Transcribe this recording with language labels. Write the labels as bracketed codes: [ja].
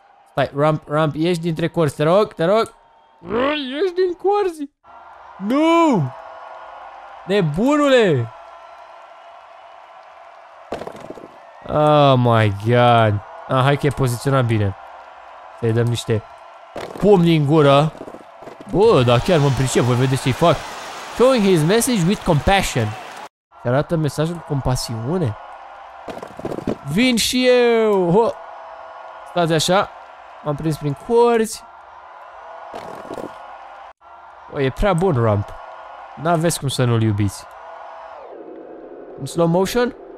[ro] Stai, ramp, ramp, ieși dintre corzi, te rog, te rog. Ieși din corzi. Nu! Nebunule! [en] Oh my god! [ro] Ah, hai că e poziționat bine. Să-i dăm niște pumni în gură. Bă, dar chiar mă pricep, voi vedeți ce-i fac. [en] Showing his message with compassion. [ro] Se arată mesajul cu compasiune. Vin și eu! Ho! Stați așa. M-am prins prin corzi. O, e prea bun ramp. N-aveți cum să nu-l iubiți. În slow motion?